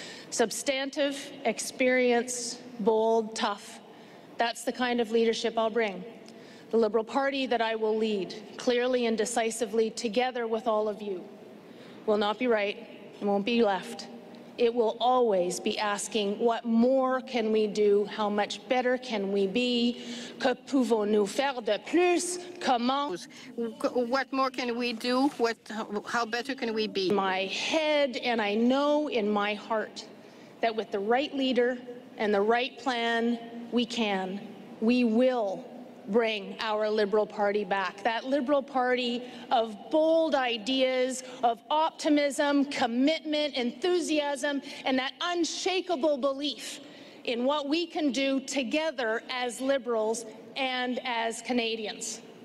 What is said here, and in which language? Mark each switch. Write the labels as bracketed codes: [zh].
[en] Substantive, experienced, bold, tough, that's the kind of leadership I'll bring. The Liberal Party that I will lead, clearly and decisively, together with all of you, will not be right, it won't be left. It will always be asking, what more can we do? How much better can we be? [fr] Que pouvons-nous faire de plus? Comment? [en] What more can we do? How better can we be? In my head, and I know in my heart, that with the right leader and the right plan, we will bring our Liberal Party back. That Liberal Party of bold ideas, of optimism, commitment, enthusiasm, and that unshakable belief in what we can do together as Liberals and as Canadians.